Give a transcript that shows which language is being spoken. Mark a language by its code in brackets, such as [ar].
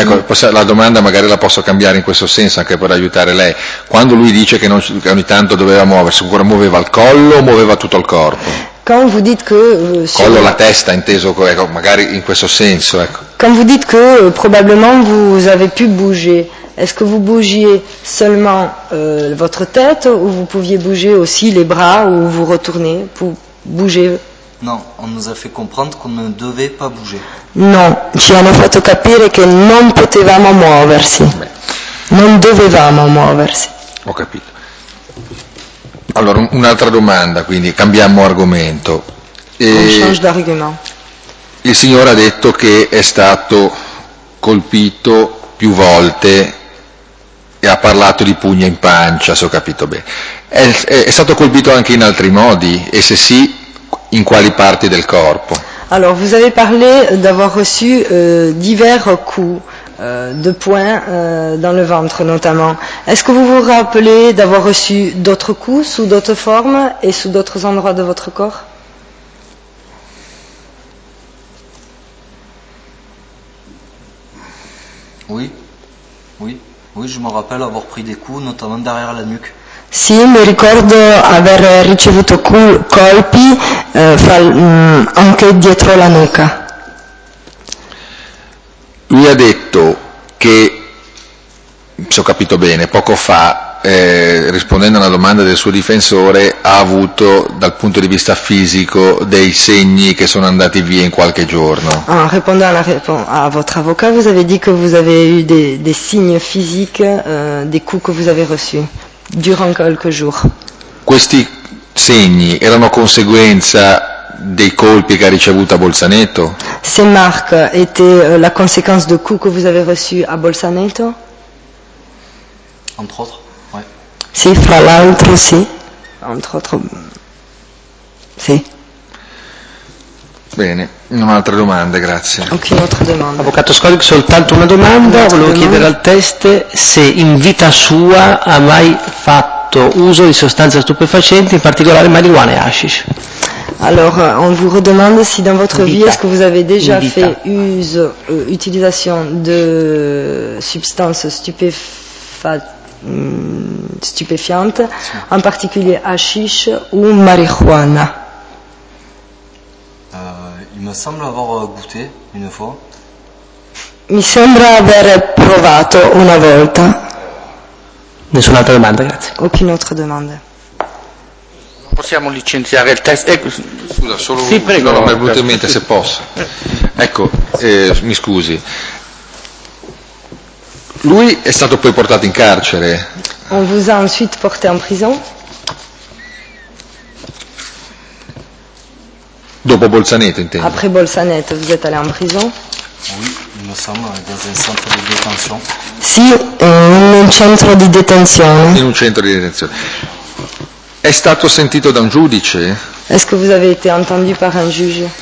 [it] Ecco, la domanda magari la posso cambiare in questo senso anche per aiutare lei. Quando lui dice che, non, che ogni tanto doveva muoversi, ancora muoveva il collo o muoveva tutto il corpo? [fr] Quand vous dites que, [it] collo la testa, inteso, ecco, magari in questo senso. Ecco. [fr] Quand vous dites que probablement vous avez pu bouger, est-ce que vous bougiez seulement votre tête ou vous pouviez bouger aussi les bras ou vous retourner pour bouger? Non, on nous a fait comprendre qu'on ne devait pas bouger. [it] Non, ci hanno fatto capire che non potevamo muoversi. Non dovevamo muoversi. Ho capito. Allora, un'altra domanda, quindi cambiamo argomento. [fr] On change d'argument. [it] Il signore ha detto che è stato colpito più volte e ha parlato di pugna in pancia, se ho capito bene. È stato colpito anche in altri modi? E se sì, in quali parti del corpo? [fr] Alors, vous avez parlé d'avoir reçu divers coups de poing dans le ventre notamment. Est-ce que vous vous rappelez d'avoir reçu d'autres coups sous d'autres formes et sous d'autres endroits de votre corps? Oui. Oui. Oui, je me rappelle avoir pris des coups notamment derrière la nuque. [it] Sì, mi ricordo aver ricevuto colpi anche dietro la nuca. Lui ha detto che, se ho capito bene, poco fa, rispondendo a una domanda del suo difensore, ha avuto dal punto di vista fisico dei segni che sono andati via in qualche giorno. Ah, rispondendo a [fr] votre avvocato, vous avez dit que vous avez eu des signes physiques des coups que vous avez reçus. Durant quelques jours. [it] Questi segni erano conseguenza dei colpi che ha ricevuto a Bolzaneto? [fr] Ces marques étaient la conséquence de coups que vous avez reçus à Bolzaneto? Entre autres, oui. [it] Si, fra l'altro, si. [fr] Entre autres, si. [it] Bene, un'altra domanda, grazie. Ok, un'altra domanda. Avvocato Scolic, soltanto una domanda, volevo chiedere al test se in vita sua ha mai fatto uso di sostanze stupefacenti, in particolare marijuana e hashish. Allora, [fr] on vous redemande si dans votre vie, est-ce que vous avez déjà fait uso, utilisation de substances stupefiantes, en particulier hashish ou marijuana. Il me semble avoir goûté une fois. [it] Mi sembra aver provato una volta. Nessun'altra domanda, grazie. [fr] Aucune autre domande. [it] Possiamo licenziare il test? Scusa, solo sì, prego. Non mi è venuto in mente se posso. Ecco, mi scusi. Lui è stato poi portato in carcere. [fr] On vous a ensuite porté en prison. [it] Dopo Bolzaneto, intendo. [fr] Après Bolzaneto, vous êtes allé en prison? Oui, il me semble, dans un centre de détention. [it] Sì, in un centro di detenzione. In un centro di detenzione. È stato sentito da un giudice? [fr] Est-ce que vous avez été entendu par un juge?